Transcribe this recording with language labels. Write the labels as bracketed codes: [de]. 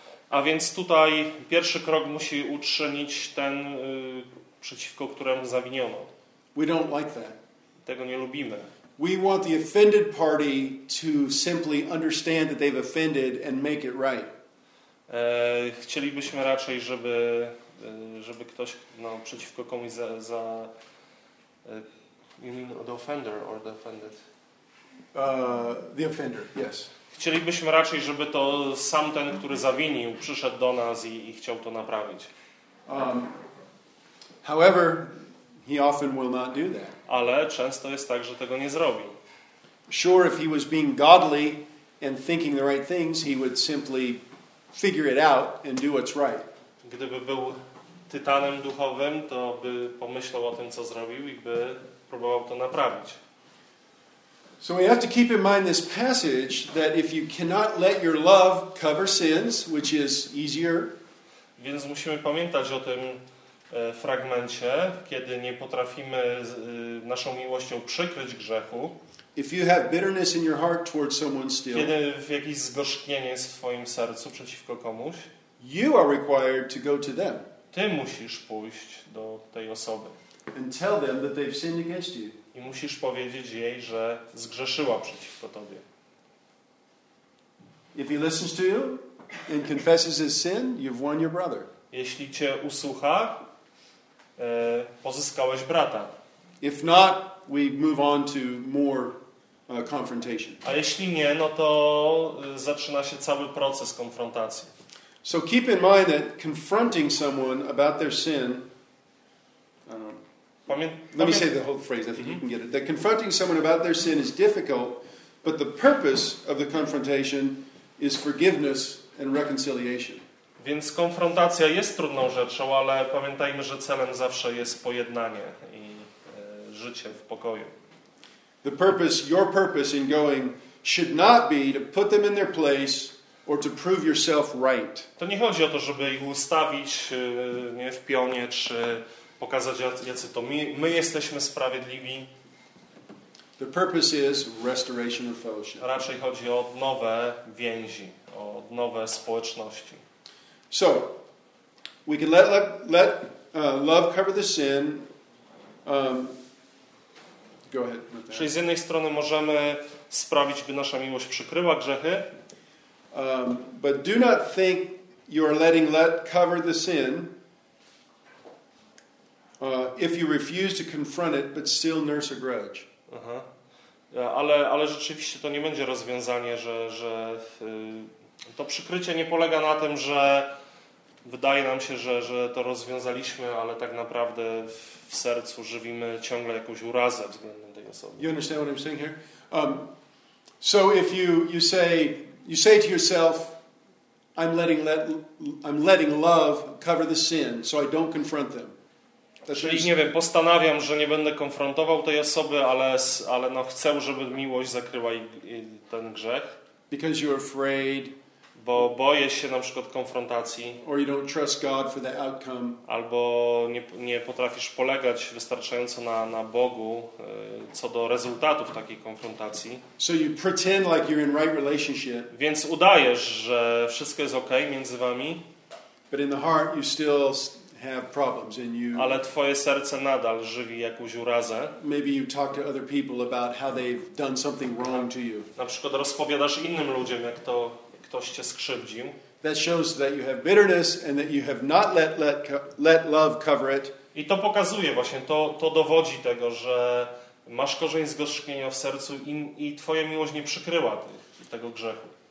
[pl] A więc tutaj pierwszy krok musi uczynić ten przeciwko któremu zawiniono. [en] We don't like that. [pl] Tego nie lubimy. [en] We want the offended party to simply understand that they've offended and make it right. [pl] Chcielibyśmy raczej, żeby ktoś przeciwko komuś za [en] you mean the offender or the offended? The offender, yes. [pl] Chcielibyśmy raczej, żeby to sam ten, który zawinił, przyszedł do nas i chciał to naprawić. [en] However, he often will not do that. [pl] Ale często jest tak, że tego nie zrobi. [en] Sure, if he was being godly and thinking the right things, he would simply figure it out and do what's right. [pl] Gdyby był tytanem duchowym, to by pomyślał o tym, co zrobił i by próbował to naprawić. [en] So we have to keep in mind this passage that if you cannot let your love cover sins, which is easier. [pl] Więc musimy pamiętać o tym fragmencie, kiedy nie potrafimy naszą miłością przykryć grzechu. [en] If you have bitterness in your heart towards someone still, [pl] kiedy jakieś zgorzknienie jest w twoim sercu przeciwko komuś, [en] you are required to go to them. [pl] Ty musisz pójść do tej osoby. [en] And tell them that they've sinned against you. [pl] I musisz powiedzieć jej, że zgrzeszyła przeciwko tobie. [en] If he listens to you and confesses his sin, you've won your brother. [pl] Jeśli cię usłucha, pozyskałeś brata. [en] If not, we move on to more confrontation. [pl] A jeśli nie, no to zaczyna się cały proces konfrontacji. [en] So keep in mind that confronting someone about their sin, let me say the whole phrase, I think you can get it. That confronting someone about their sin is difficult, but the purpose of the confrontation is forgiveness and reconciliation. [pl] Więc konfrontacja jest trudną rzeczą, ale pamiętajmy, że celem zawsze jest pojednanie i życie w pokoju. [en] The purpose, your purpose in going should not be to put them in their place or to prove yourself right. [pl] To nie chodzi o to, żeby ich ustawić nie w pionie, czy pokazać, jacy to my jesteśmy sprawiedliwi. [en] The purpose is restoration of fellowship. [pl] Raczej chodzi o odnowę więzi, o odnowę społeczności. [en] So, we can let love cover the sin. Go ahead. [pl] Czyli z jednej strony możemy sprawić, by nasza miłość przykryła grzechy. [en] But do not think you are letting let cover the sin if you refuse to confront it, but still nurse a grudge. [pl] Ale rzeczywiście to nie będzie rozwiązanie, że to przykrycie nie polega na tym, że wydaje nam się, że to rozwiązaliśmy, ale tak naprawdę w sercu żywimy ciągle jakąś urazę względem tej osoby. [en] You understand what I'm saying here? So if you say to yourself, I'm letting love cover the sin, so I don't confront them. [pl] Czyli, nie wiem, postanawiam, że nie będę konfrontował tej osoby, ale no chcę, żeby miłość zakryła ten grzech. [en] Because you're afraid. [pl] Bo boję się na przykład konfrontacji. [en] Or you don't trust God for the outcome. [pl] Albo nie potrafisz polegać wystarczająco na Bogu co do rezultatów takiej konfrontacji. [en] So you pretend like you're in right relationship. [pl] Więc udajesz, że wszystko jest okej między wami. [en] But in the heart you still have problems and you. [pl] Ale twoje serce nadal żywi jakąś urazę. [en] Maybe you talk to other people about how they've done something wrong to you. [pl] Na przykład rozpowiadasz innym ludziom, jak to ktoś cię skrzywdził. [en] That shows that you have bitterness and that you have not let love cover it. [pl] I to pokazuje właśnie, to dowodzi tego, że masz korzeń zgorzknienia w sercu i twoja miłość nie przykryła tego grzechu.